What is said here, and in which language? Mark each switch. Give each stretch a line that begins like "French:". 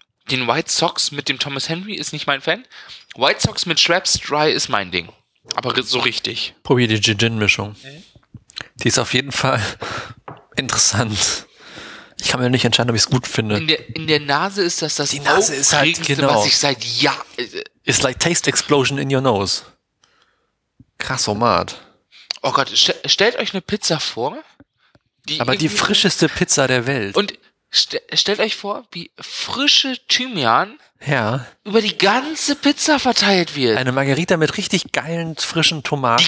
German: Den White Sox mit dem Thomas Henry ist nicht mein Fan. White Sox mit Schweppes Dry ist mein Ding. Aber so richtig. Probier die Gin-Gin-Mischung. Die ist auf jeden Fall interessant. Ich kann mir nicht entscheiden, ob ich es gut finde. In der Nase ist das die Nase ist halt genau, was ich seit Jahr.
English: It's like taste explosion in your nose.
German: Krassomat. Oh Gott, stellt euch eine Pizza vor. Aber die frischeste Pizza der Welt. Und stellt euch vor, wie frische Thymian ja über die ganze Pizza verteilt wird. Eine Margherita mit richtig geilen frischen Tomaten,